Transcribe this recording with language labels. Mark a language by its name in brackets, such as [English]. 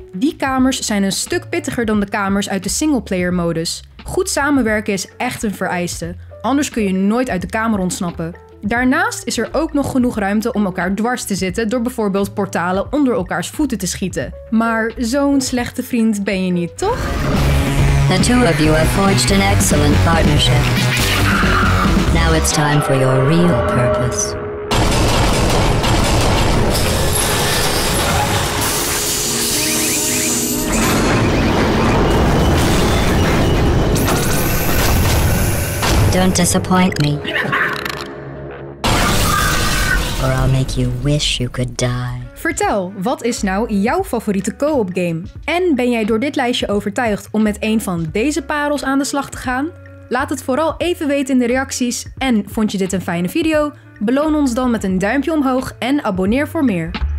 [Dutch] Die kamers zijn een stuk pittiger dan de kamers uit de singleplayer-modus. Goed samenwerken is echt een vereiste, anders kun je nooit uit de kamer ontsnappen. Daarnaast is er ook nog genoeg ruimte om elkaar dwars te zitten door bijvoorbeeld portalen onder elkaars voeten te schieten. Maar zo'n slechte vriend ben je niet, toch? [English] The two of you have forged an excellent partnership. Now it's time for your real purpose. Don't disappoint me. Or I'll make you wish you could die. [Dutch] Vertel, wat is nou jouw favoriete co-op game? En ben jij door dit lijstje overtuigd om met een van deze parels aan de slag te gaan? Laat het vooral even weten in de reacties. En vond je dit een fijne video? Beloon ons dan met een duimpje omhoog en abonneer voor meer.